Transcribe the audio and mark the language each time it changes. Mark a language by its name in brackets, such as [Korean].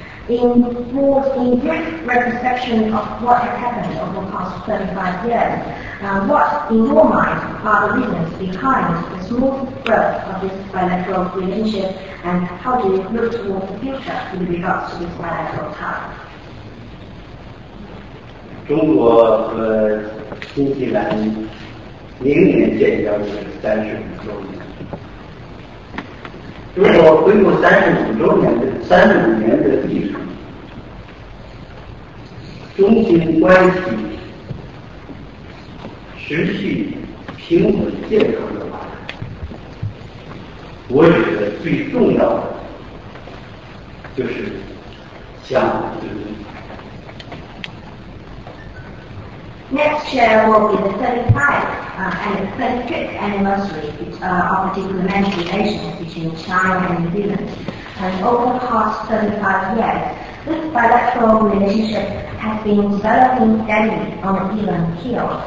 [English] In brief retrospection of what has happened over the past 35 years, what, in your mind, are the reasons behind the smooth growth of this bilateral relationship, and how do you look towards the future in regards to this bilateral tie? [Chinese] 中国和新西兰明年建交是35周年，中国恢复35年的历史，中新关系持续平稳健康的发展，我觉得最重要的就是相互尊重。 [English] Next year will be the 35th anniversary of the diplomatic relations between China and New Zealand. And over the past 35 years, this bilateral relationship has been developing steadily on an even keel.